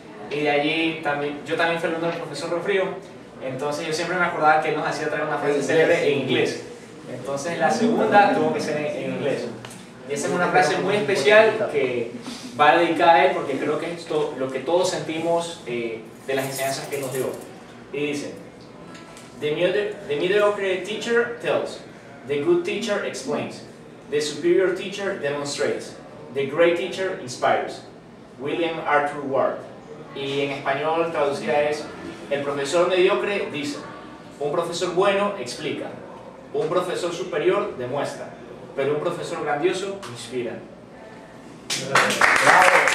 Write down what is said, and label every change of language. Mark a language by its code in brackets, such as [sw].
[es] Y de allí también, yo también fui alumno del profesor Rofrío, entonces yo siempre me acordaba que él nos hacía traer una frase célebre en inglés. Entonces la segunda tuvo que ser en inglés. Y esa es una frase muy especial que va dedicada a él, porque creo que es lo que todos sentimos de las enseñanzas que nos dio. Y dice: [en] the mediocre teacher tells, the good teacher explains, the superior teacher demonstrates, the great teacher inspires. William Arthur Ward. [es] Y en español traducida es: el profesor mediocre dice, un profesor bueno explica, un profesor superior demuestra, pero un profesor grandioso inspira. ¡Bravo!